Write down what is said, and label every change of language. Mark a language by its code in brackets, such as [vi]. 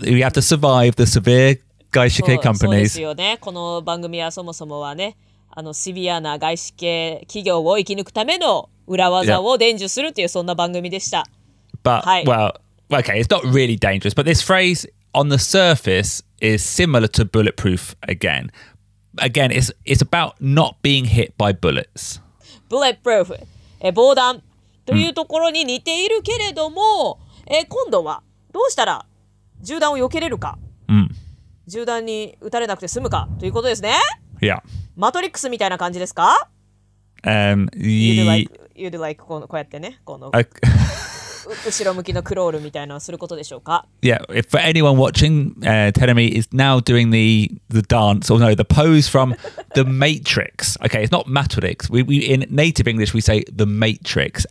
[en] We have to survive the severe 外資系 companies. [ja] そうですよね。この番組はそもそもはね、あのシビアな外資系企業を生き抜くための裏技を伝授するというそんな番組でした。 [en] But,、はい、well, okay, it's not really dangerous, but this phrase on the surface is similar to bulletproof again. Again, it's about not being hit by bullets. [ja] Bulletproof, 防弾というところに似ているけれども、今度はどうしたら銃弾を避けれるか、銃弾に撃たれなくて済むかということですね。 [en] Yeah. [ja] マトリックスみたいな感じですか？ [en] You'd like [ja] こうやってね、この後ろ向きのクロールみたいなのをすることでしょうか？ [en] Yeah, if for anyone watching, Teremy is now doing the dance, or no, the pose from The Matrix. Okay, it's not Matrix. We in native English, we say The Matrix.